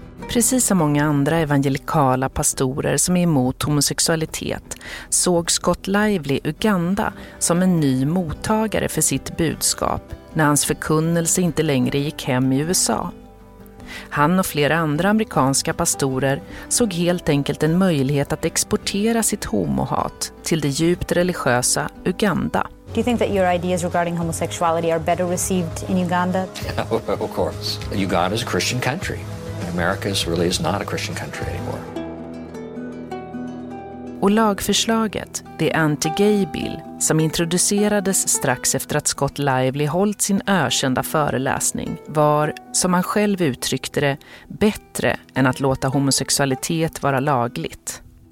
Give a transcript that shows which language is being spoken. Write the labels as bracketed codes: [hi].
[sv] Precis som många andra evangelikala pastorer som är emot homosexualitet såg Scott Lively Uganda som en ny mottagare för sitt budskap när hans förkunnelse inte längre gick hem i USA. Han och flera andra amerikanska pastorer såg helt enkelt en möjlighet att exportera sitt homohat till det djupt religiösa Uganda. [en] Do you think that your ideas regarding homosexuality are better received in Uganda? Yeah, of course. Uganda is a Christian country. America really is not a Christian country anymore. [sv] Och lagförslaget, det anti-gay bill, som introducerades strax efter att Scott Lively hållit sin ökända föreläsning, var, som han själv uttryckte det, bättre än att låta homosexualitet vara lagligt.